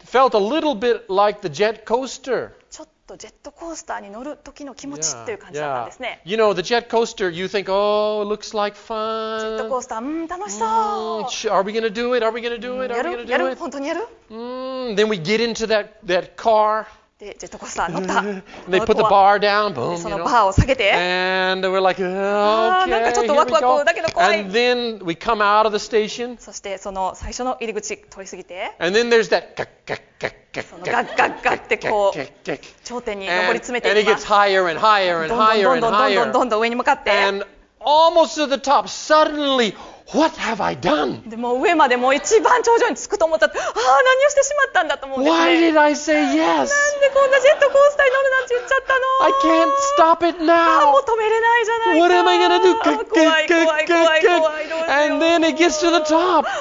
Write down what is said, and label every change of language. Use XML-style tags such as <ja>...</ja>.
<en>It felt a little bit like the jet coaster.</en> <ja>ちょっととジェットコースターに乗る時の気持ちっていう感じだったんですね。</ja> <en>Yeah. You know, the jet coaster, you think, oh, it looks like fun.</en> <ja>ジェットコースター、楽しそう。</ja> <en>Are we going to do it? Are we going to do it?</en> <ja>やる？やる？本当にやる？</ja> <en>Then we get into that car.</en> <ja>でジェットコースター乗った。</ja> <en>They put the bar down, boom,</en> <ja>そのバーを下げて。</ja> <en>And we're like, okay,</en> <ja>なんかちょっとワクワクだけど怖い。</ja> <en>And then we come out of the station.</en> <ja>そしてその最初の入り口通り過ぎて。</ja> <en>And then there's that ガッガッガッガッ</en> <ja>ガッガッガッガッ頂点に上り詰めていきます。</ja> <en>And it gets higher and higher and higher and higher.</en> <ja>どんどんどんどん上に向かって。</ja> <en>And almost to the top, suddenly, what have I done?</en> <ja>でも上までもう一番頂上に着くと思ったら、ああ何をしてしまったんだと思うんですね。</ja> <en>Why did I say yes?</en> <ja>なんでこんなジェットコースターに乗るなんて言っちゃったの。</ja> <en>I can't stop it now.</en> <ja>もう止めれないじゃないか。</ja> <en>What am I gonna do?</en> <ja>怖い怖い怖い怖い怖い。</ja> <en>And then it gets to the top.</en>